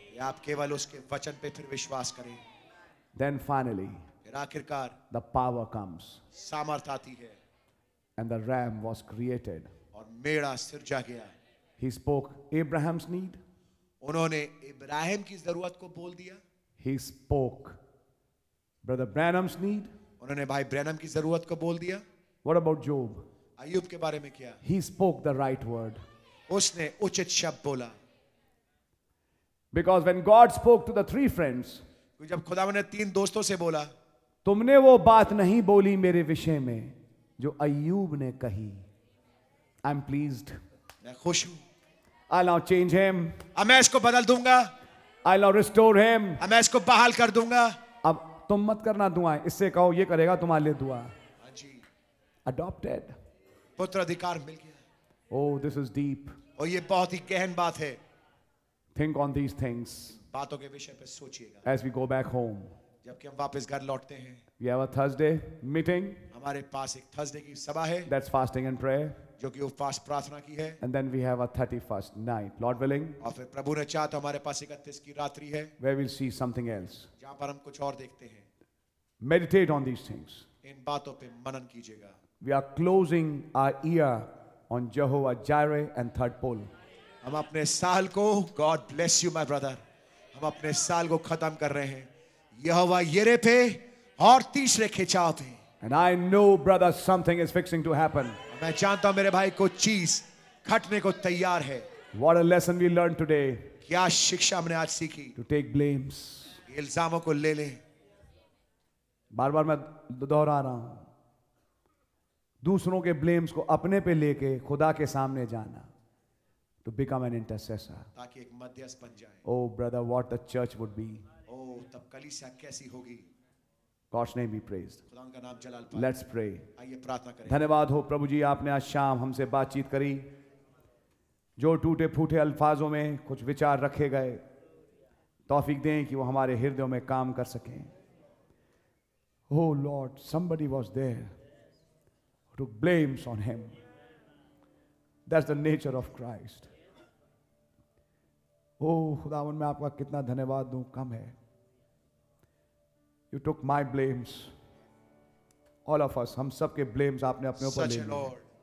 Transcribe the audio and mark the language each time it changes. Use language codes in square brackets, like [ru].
[hi] आप केवल उसके वचन पे फिर विश्वास करें. [en] Then finally. [hi] फिर आखिरकार. [en] The power comes. [hi] सामर्थ आती है. [en] And the ram was created. [hi] और मेड़ा सिरजा गया. [en] He spoke Abraham's need. [hi] उन्होंने इब्राहिम की जरूरत को बोल दिया. [en] He spoke Brother Branham's need. [hi] उन्होंने भाई ब्रैनम की जरूरत को बोल दिया. [en] What about Job? [hi] अय्यूब के बारे में क्या? [en] He spoke the right word. [hi] उसने उचित शब्द बोला. [en] Because when God spoke to the three friends, [hi] जब खुदावन ने तीन दोस्तों से बोला, तुमने वो बात नहीं बोली मेरे विषय में जो अय्यूब ने कही. [en] I'm pleased. [hi] मैं खुश हूं. [en] I'll now change him. [hi] अब मैं इसको बदल दूंगा. [en] I'll now restore him. [hi] अब मैं इसको बहाल कर दूंगा. अब तुम मत करना दुआएं, इससे कहो ये करेगा तुम्हारे लिए दुआ. [en] Adopted. [hi] पुत्र अधिकार मिल गया. [en] Oh, this is deep. [hi] और ये बहुत ही गहन बात है. [en] Think on these things. [hi] बातों के विषय पे सोचिएगा. [en] As we go back home. [hi] जबकि हम वापस घर लौटते हैं. [en] We have a Thursday meeting. [hi] हमारे पास एक थर्सडे की सभा है. [en] That's fasting and prayer. [hi] जो कि उपवास प्रार्थना की है. [en] And then we have a 31st night, Lord willing. [hi] और फिर प्रभु ने चाहा तो हमारे पास 31 की रात्रि है. [en] Where we'll see something else. [hi] जहाँ पर हम कुछ और देखते हैं. [en] Meditate on these things. [hi] इन बातों पे मनन कीजिएगा. [en] We are closing our year on Jehovah Jireh and third pole. [hi] हम अपने साल को, [en] God bless you, my brother. [hi] हम अपने साल को खत्म कर रहे हैं. यहोवा यरे पे और तीसरे खिंचाव पे. [en] And I know, brother, something is fixing to happen. [hi] मैं जानता हूं मेरे भाई को चीज खटने को तैयार है. [en] What a lesson we learned today. [hi] क्या शिक्षा हमने आज सीखी? [en] To take blames. [hi] इल्जामों को ले ले. बार बार मैं दोहरा रहा हूं, दूसरों के ब्लेम्स को अपने पे लेके खुदा के सामने जाना. [en] To become an intercessor. [hi] ताकि एक मध्यस्थ बन जाए. [en] Oh brother, what the church would be. [hi] Oh, तब कलीसिया कैसी होगी. [en] God's name be praised. Let's pray. [hi] आइए प्रार्थना करें. धन्यवाद हो प्रभु जी, आपने आज शाम हमसे बातचीत करी. जो टूटे फूटे अल्फाजों में कुछ विचार रखे गए, तौफीक दें कि वो हमारे हृदयों में काम कर सकें. [en] Oh Lord, somebody was there to blames on him. That's the nature of Christ. [hi] Oh खुदावन, मैं आपका कितना धन्यवाद दूं, कम है. [en] You took my blames. All of us, [hi] हम सब के blames आपने अपने ऊपर ले लिए.